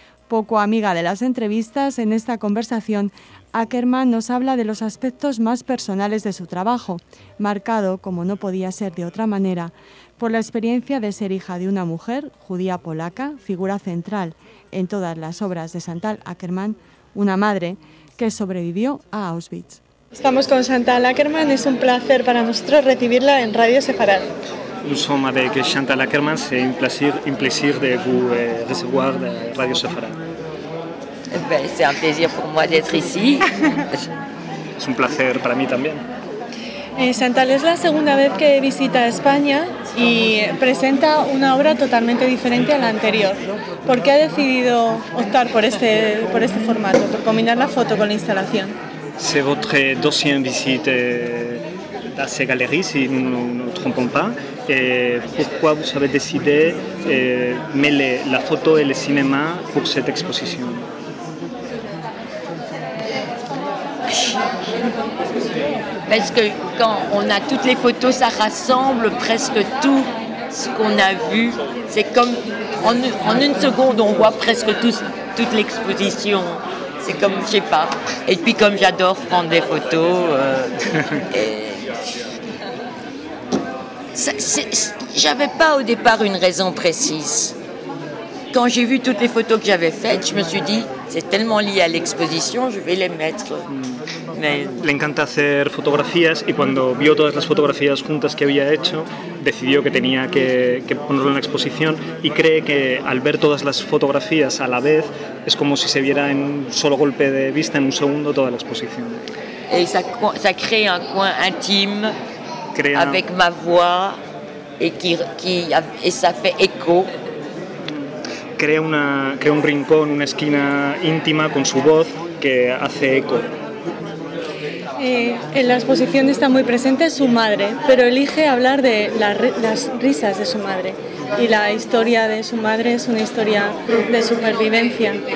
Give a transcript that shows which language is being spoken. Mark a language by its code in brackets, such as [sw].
[es] Poco amiga de las entrevistas, en esta conversación, Ackerman nos habla de los aspectos más personales de su trabajo, marcado, como no podía ser de otra manera, por la experiencia de ser hija de una mujer, judía polaca, figura central en todas las obras de Santal Ackerman, una madre que sobrevivió a Auschwitz. Estamos con Santal Ackerman, es un placer para nosotros recibirla en Radio Sefarad. [fr] Nous sommes avec Chantal Ackerman, c'est un plaisir de vous recevoir de Radio Sefarad. Ben, c'est un plaisir pour moi d'être ici. C'est un plaisir pour moi aussi. [es] Chantal, es la segunda vez que visita España y presenta una obra totalmente diferente a la anterior. ¿Por qué ha decidido optar por este formato, por combinar la foto con la instalación? [fr] C'est votre deuxième visite à ces galeries, si nous ne nous trompons pas. Et pourquoi vous avez décidé de mêler la photo et le cinéma pour cette exposition? Parce que quand on a toutes les photos, ça rassemble presque tout ce qu'on a vu. C'est comme en une seconde, on voit presque toute l'exposition. C'est comme, je sais pas. Et puis comme j'adore prendre des photos. J'avais pas au départ une raison précise. Quand j'ai vu toutes les photos que j'avais faites, je me suis dit, c'est tellement lié à l'exposition, je vais les mettre. Mais... [es] Le encanta hacer fotografías y cuando vio todas las fotografías juntas que había hecho, decidió que tenía que ponerlo en la exposición y cree que al ver todas las fotografías a la vez, es como si se viera en un solo golpe de vista, en un segundo, toda la exposición. [fr] Et ça crée un coin intime. Avec ma voix et qui ça fait écho. [es] Crea un rincón, una esquina íntima con su voz que hace eco. En la exposición está muy presente su madre, pero elige hablar de las risas de su madre. Y la historia de su madre es una historia de supervivencia.